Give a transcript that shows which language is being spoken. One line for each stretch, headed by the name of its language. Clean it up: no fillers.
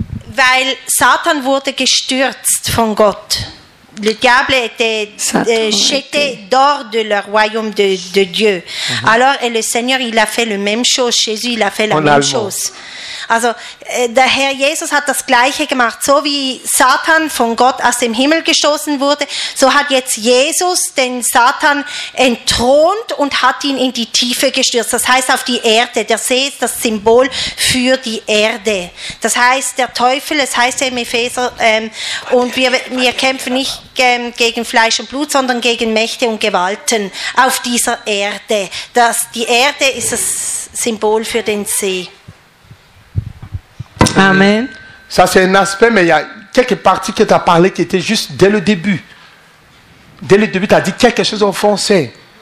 German: Weil Satan wurde gestürzt von Gott.
French: Le diable était jeté dehors de leur royaume de Dieu. Mm-hmm. Alors, et le Seigneur, il a fait la même chose. Jésus, il a fait la même chose.
German: Also, der Herr Jesus hat das Gleiche gemacht. So wie Satan von Gott aus dem Himmel gestoßen wurde, so hat jetzt Jesus den Satan entthront und hat ihn in die Tiefe gestürzt. Das heißt, auf die Erde. Der See ist das Symbol für die Erde. Das heißt, der Teufel, es heißt ja im Epheser, und wir kämpfen nicht gegen Fleisch und Blut, sondern gegen Mächte und Gewalten auf dieser Erde. Die Erde ist das Symbol für den See. Amen.
French: Ça c'est un aspect, mais il y a quelques parties que tu as parlé qui étaient juste dès le début. Dès le début, tu as dit quelque chose en français.